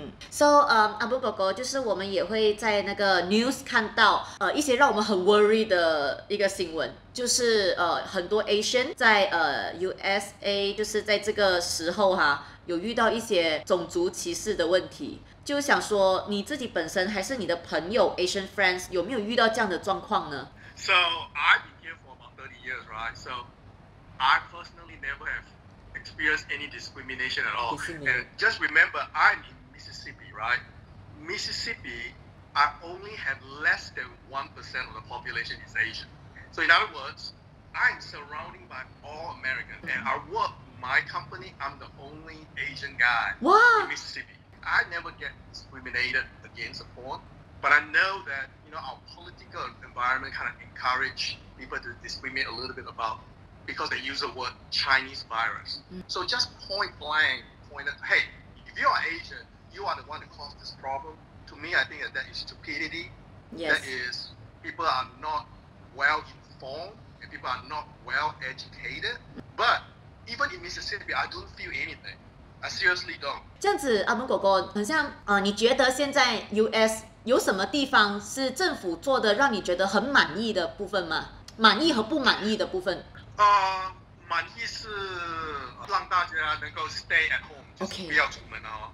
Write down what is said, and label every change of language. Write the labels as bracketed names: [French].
[Chinese] So, 阿布哥哥，就是我们也会在那个 news 看到，一些让我们很 worry 的一个新闻，就是很多 Asian 在USA， 就是在这个时候哈，有遇到一些种族歧视的问题。就想说，你自己本身还是你的朋友 [English] Asian friends [Chinese] 有没有遇到这样的状况呢 [English] ？So I've been here for about 30 years, right? So I personally never have experience any discrimination at all. And just remember, I'm in Mississippi, right? Mississippi, I only have less than 1% of the population is Asian. So in other words, I'm surrounded by all Americans. And I work in my company, I'm the only Asian guy in Mississippi. I never get discriminated against a foreign. But I know that, you know, our political environment kind of encourage people to discriminate a little bit about.Because they use the word Chinese virus. So just point blank, point that, hey, if you are Asian, you are the one to cause this problem. To me, I think that that is stupidity. Yes. That is, people are not well informed and people are not well educated. But even in Mississippi, I don't feel anything. I seriously don't. [Chinese] 这样子，阿蒙哥哥，很像啊，你觉得现在 US 有什么地方是政府做的让你觉得很满意的部分吗？满意和不满意的部分。满意是让大家能够 [English] stay at home， [Chinese] 就是不要出门啊。